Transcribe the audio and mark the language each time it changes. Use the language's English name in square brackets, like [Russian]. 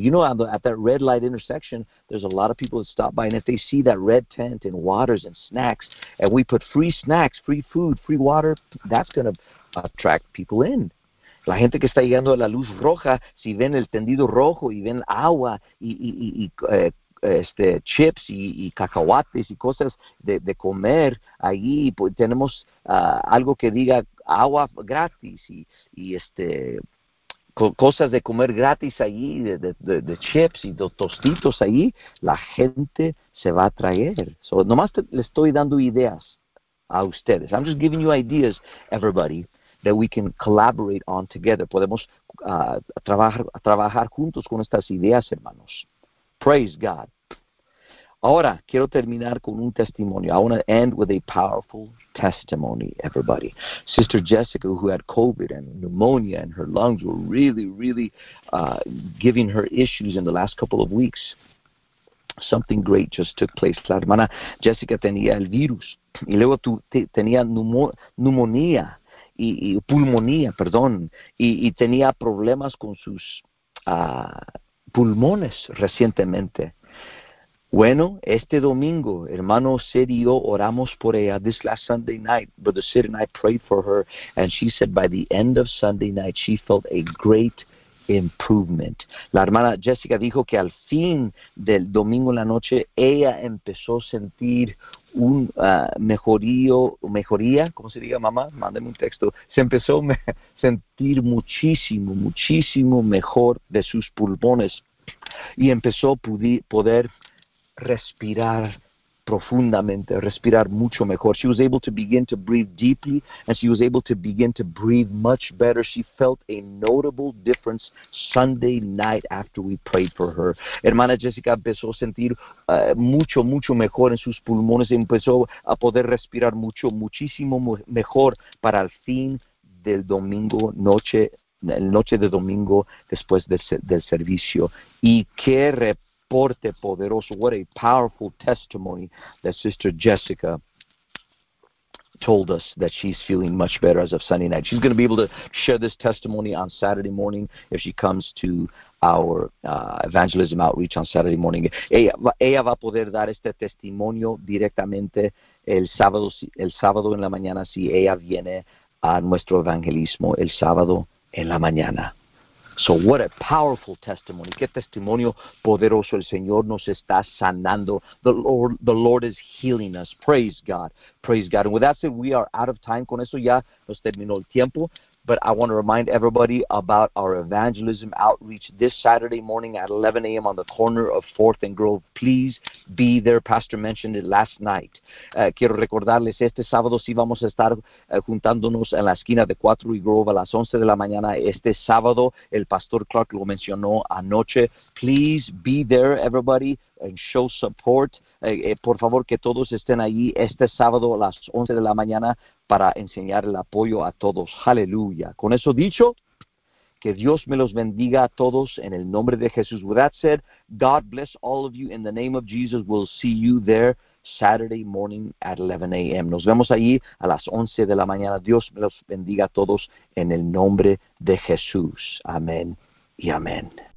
[English] You know, at that red light intersection, there's a lot of people that stop by, and if they see that red tent and waters and snacks, and we put free snacks, free food, free water, that's going to attract people in. [Spanish] La gente que está llegando a la luz roja, si ven el tendido rojo y ven agua y chips y cacahuates y cosas de comer allí, pues tenemos algo que diga agua gratis y cosas de comer gratis allí, de chips y de tostitos allí, la gente se va a traer. So, nomás le estoy dando ideas a ustedes. [English] I'm just giving you ideas, everybody, that we can collaborate on together. [Spanish] Podemos trabajar juntos con estas ideas, hermanos. [English] Praise God. [Spanish] Ahora, quiero terminar con un testimonio. [English] I want to end with a powerful testimony, everybody. Sister Jessica, who had COVID and pneumonia and her lungs were really, really giving her issues in the last couple of weeks, something great just took place. [Spanish] La hermana Jessica tenía el virus y luego tenía neumonía y pulmonía, perdón, y tenía problemas con sus pulmones recientemente. Bueno, este domingo, hermano Sid y yo oramos por ella. [English] This last Sunday night, Brother Sid and I prayed for her, and she said by the end of Sunday night, she felt a great improvement. [Spanish] La hermana Jessica dijo que al fin del domingo en la noche ella empezó a sentir un mejoría, ¿cómo se diga, mamá? Mándeme un texto. Se empezó a sentir muchísimo, muchísimo mejor de sus pulmones y empezó a poder respirar profundamente, respirar mucho mejor. [English] She was able to begin to breathe deeply, and she was able to begin to breathe much better. She felt a notable difference Sunday night after we prayed for her. [Spanish] Hermana Jessica empezó a sentir mucho, mucho mejor en sus pulmones, empezó a poder respirar mucho, muchísimo mejor para el fin del domingo noche, la noche de domingo después del servicio. Y qué reporte poderoso. [English] What a powerful testimony that Sister Jessica told us, that she's feeling much better as of Sunday night. She's going to be able to share this testimony on Saturday morning if she comes to our evangelism outreach on Saturday morning. [Spanish] Ella va a poder dar este testimonio directamente el sábado en la mañana si ella viene a nuestro evangelismo el sábado en la mañana. [English] So what a powerful testimony. [Spanish] Qué testimonio poderoso. El Señor nos está sanando. [English] The Lord is healing us. Praise God. Praise God. And with that said, we are out of time. [Spanish] Con eso ya nos terminó el tiempo. [English] But I want to remind everybody about our evangelism outreach this Saturday morning at 11 a.m. on the corner of 4th and Grove. Please be there. Pastor mentioned it last night. [Spanish] Quiero recordarles, este sábado sí vamos a estar juntándonos en la esquina de 4 y Grove a las 11 de la mañana. Este sábado, el Pastor Clark lo mencionó anoche. [English] Please be there, everybody, and show support. [Spanish] Por favor, que todos estén allí este sábado a las 11 de la mañana para enseñar el apoyo a todos. Aleluya. Con eso dicho, que Dios me los bendiga a todos en el nombre de Jesús. [English] With that said, God bless all of you in the name of Jesus. We'll see you there Saturday morning at 11 a.m. [Spanish] Nos vemos allí a las 11 de la mañana. Dios me los bendiga a todos en el nombre de Jesús. Amén y amén.